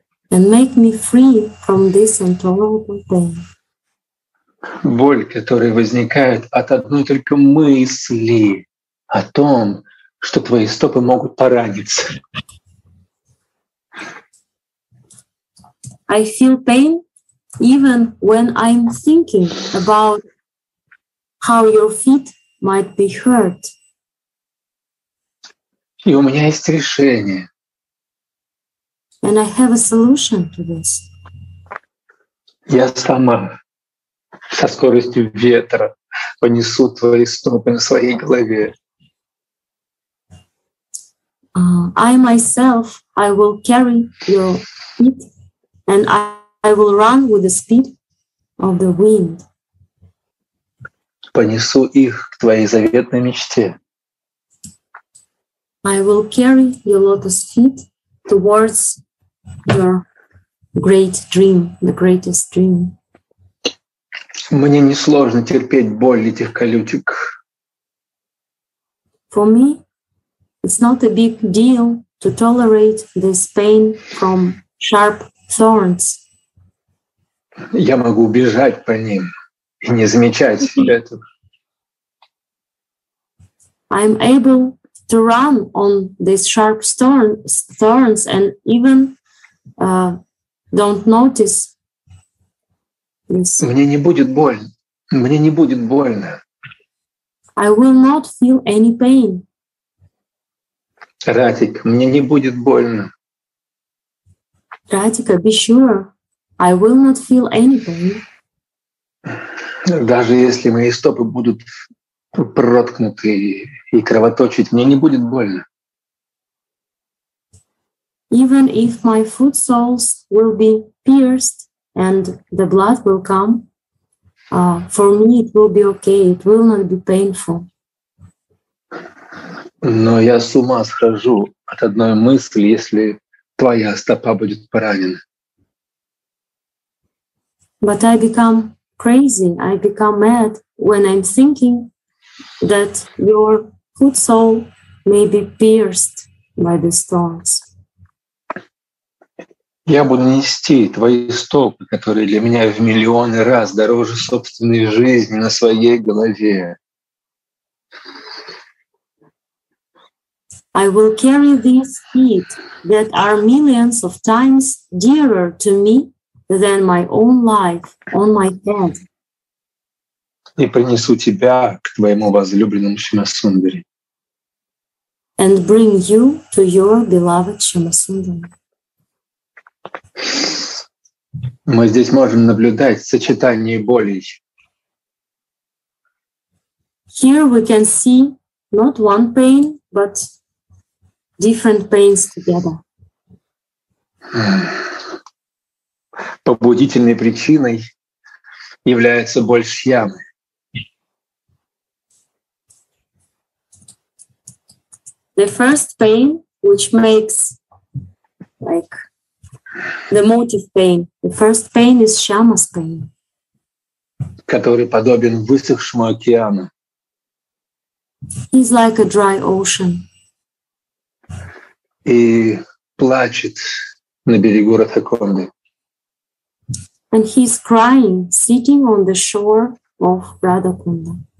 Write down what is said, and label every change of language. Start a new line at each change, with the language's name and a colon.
English: And make me free from this intolerable pain.
Russian: Боль, которая возникает от одной только мысли о том, что твои стопы могут пораниться.
English: I feel pain even when I'm thinking about how your feet might be hurt.
Russian: И у меня есть решение.
English: And I have a solution to this.
Russian: Я сама со скоростью ветра понесу твои стопы на своей голове.
English: I myself, I will carry your feet, and I will run with the speed of the wind.
Russian: Понесу их к твоей заветной мечте.
English: I will carry your lotus feet towards your great dream, the greatest dream.
Russian: Мне несложно терпеть боль этих колючек.
English: For me, it's not a big deal to tolerate this pain from sharp thorns.
Russian: Я могу бежать по ним и не замечать этого.
English: I'm able to run on these sharp thorns and even don't notice.
Russian: Мне не будет больно. Мне не будет больно.
English: I will not feel any pain.
Russian: Радик, мне не будет больно.
English: Радика, be sure. I will not feel any pain.
Russian: Даже если мои стопы будут проткнуты и кровоточить, мне не будет больно.
English: Even if my foot soles will be pierced, and the blood will come. For me, it will be okay. It will not be painful.
Russian: Но я с ума схожу от одной мысли, если твоя стопа будет поранена.
English: But I become crazy. I become mad when I'm thinking that your foot sole may be pierced by the thorns.
Russian: Я буду нести твои стопы, которые для меня в миллионы раз дороже собственной жизни, на своей голове.
English: I will carry these feet that are millions of times dearer to me than my own life on my head.
Russian: И принесу тебя к твоему возлюбленному Шамасундари.
English: And bring you to your beloved Шамасундари.
Russian: Мы здесь можем наблюдать сочетание болей.
English: Here we can see not one pain, but different pains together.
Russian: Побудительной причиной является боль Шьямы.
English: The first pain, which makes like the motive pain. The first pain is Shyama's pain.
Russian: Который подобен высохшему океану.
English: He's like a dry ocean.
Russian: И плачет на берегу Ратхаконды.
English: And he's crying, sitting on the shore of Radhakunda.